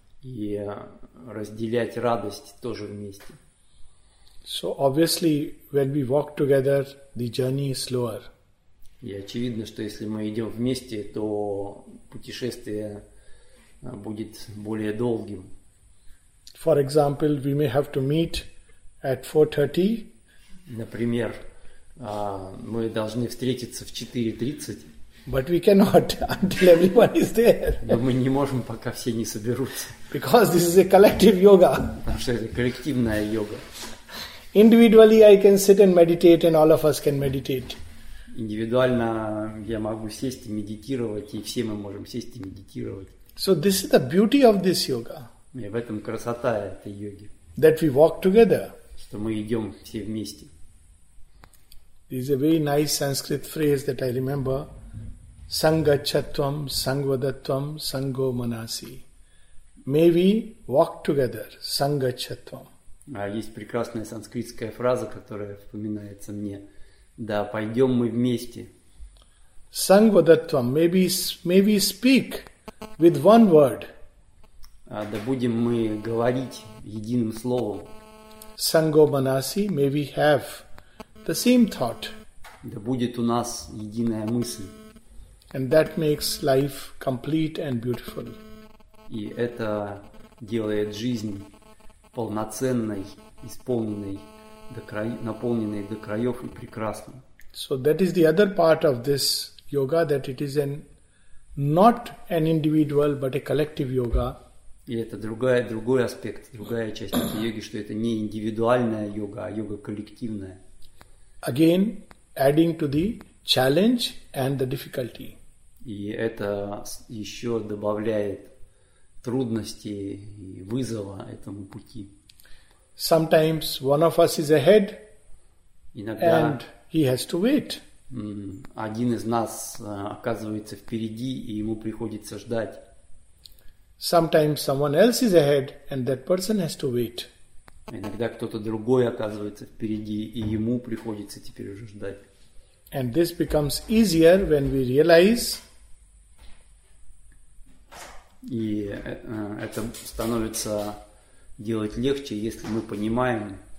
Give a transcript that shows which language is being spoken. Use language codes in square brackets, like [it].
[ru] И разделять радость тоже вместе. [en] So obviously, when we walk together, the journey is slower. [ru] И очевидно, что если мы идем вместе, то путешествие будет более долгим. [en] For example, we may have to meet at 4:30. [ru] Например, мы должны встретиться в 4:30. [en] But we cannot until everyone is there. [ru] Но мы не можем, пока все не соберутся. [en] Because this is a collective yoga. [ru] Потому что это коллективная йога. [en] Individually, I can sit and meditate, and all of us can meditate. [ru] Индивидуально я могу сесть и медитировать, и все мы можем сесть и медитировать. [en] So this is the beauty of this yoga. [ru] И в этом красота этой йоги. [en] That we walk together. [ru] Что мы идем все вместе. [en] There is a very nice Sanskrit phrase that I remember: [sa] "Sangachatvam, sangvadatvam, sango manasi." [en] May we walk together, sangachatvam. [ru] А есть прекрасная санскритская фраза, которая вспоминается мне: "Да пойдем мы вместе." [en] Sangvadatvam, maybe speak. With one word. [ru] Да будем мы говорить единым словом. [sa] Sango manasi, [en] may we have the same thought. [ru] Да будет у нас единая мысль. [en] And that makes life complete and beautiful. [ru] И это делает жизнь полноценной, исполненной, наполненной до краев и прекрасной. [en] So that is the other part of this yoga, that it is an not an individual, but a collective yoga. [ru] И это другой аспект, другая часть этой йоги, что это не индивидуальная йога, а йога коллективная. [en] Again, adding to the challenge and the difficulty. [ru] И это еще добавляет трудности и вызова этому пути. [en] Sometimes one of us is ahead, [ru] иногда, [en] and he has to wait. [ru] Один из нас оказывается впереди, и ему приходится ждать. [en] Sometimes someone else is ahead, and that person has to wait. [ru] Иногда кто-то другой оказывается впереди, и ему приходится теперь уже ждать. [en] And this becomes easier when we realize. [ru] И это становится делать легче, если мы понимаем,